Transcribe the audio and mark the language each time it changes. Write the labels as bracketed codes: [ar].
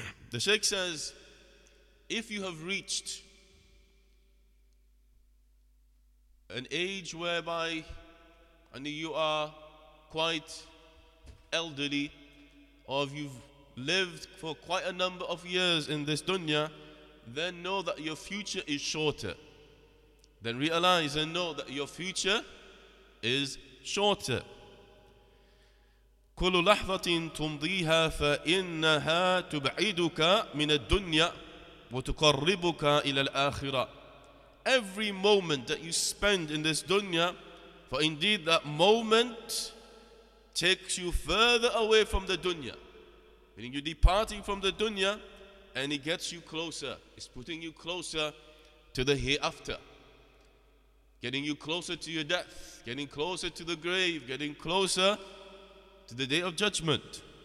[en] The Shaykh says, if you have reached an age whereby and you are quite elderly, or you've lived for quite a number of years in this dunya, then know that your future is shorter. Then realize and know that your future is shorter. [ar] كل لحظة تمضيها فإنها تبعدك من الدنيا وتقربك إلى الآخرة. [en] Every moment that you spend in this dunya, for indeed that moment takes you further away from the dunya. Meaning you're departing from the dunya and it gets you closer. It's putting you closer to the hereafter. Getting you closer to your death, getting closer to the grave, getting closer to the day of judgment.